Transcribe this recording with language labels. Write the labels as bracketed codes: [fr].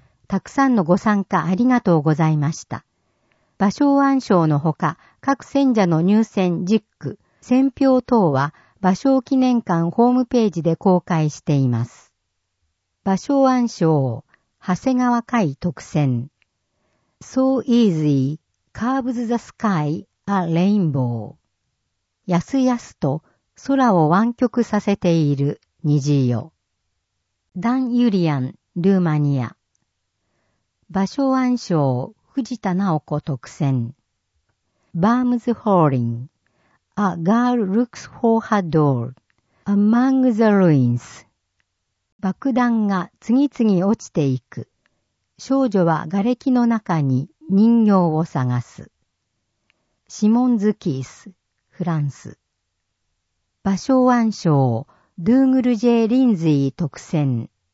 [ja] たくさんのご参加ありがとうございました。芭蕉庵賞のほか、各選者の入選10句、選票等は、芭蕉記念館ホームページで公開しています。芭蕉庵賞、長谷川海特選。 [en] So easy, curves the sky, a rainbow. [ja] やすやすと空を湾曲させている虹よ。ダン・ユリアン、ルーマニア。芭蕉庵賞、藤田直子特選。 [en] バームズ・ホーリン。 A girl looks for her doll. Among the ruins. [ja] 爆弾が次々落ちていく。少女は瓦礫の中に人形を探す。シモンズ・キース、フランス。芭蕉庵賞、ドゥーグル・ジェ・リンズィー特選。